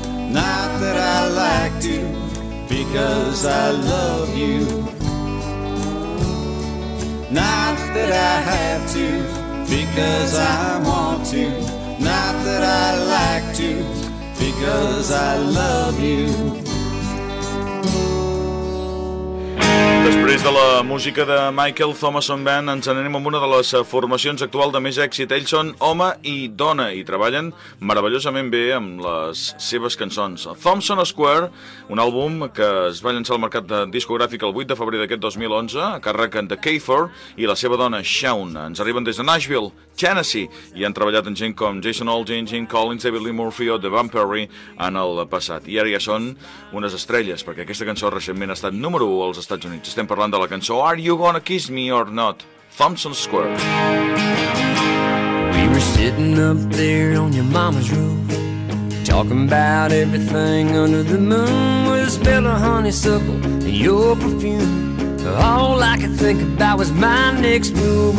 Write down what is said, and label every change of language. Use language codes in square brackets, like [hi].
[en] Not that I like to, because I love you. Not that I have to, because I want to. Not that I like to, because I love you. [ca] Després de la música de Michael Thomason Band, ens anem amb una de les formacions actual de més èxit. Ells són home i dona i treballen meravellosament bé amb les seves cançons. Thomson Square, un àlbum que es va llançar al mercat discogràfic el 8 de febrer d'aquest 2011, a càrrec de Kafer i la seva dona Shaun. Ens arriben des de Nashville, Tennessee, i han treballat amb gent com Jason Aldean, Jim Collins, David Lee Murphy o The Vampire en el passat. I ara ja són unes estrelles, perquè aquesta cançó recentment ha estat número 1 als Estats Units. Estem parlant de la cançó Are You Gonna Kiss Me or Not? Thomson Square. [en] We were sitting up there on your mama's roof, talking about everything under the moon. With a smell of honeysuckle and your perfume, all I could think about was my next move.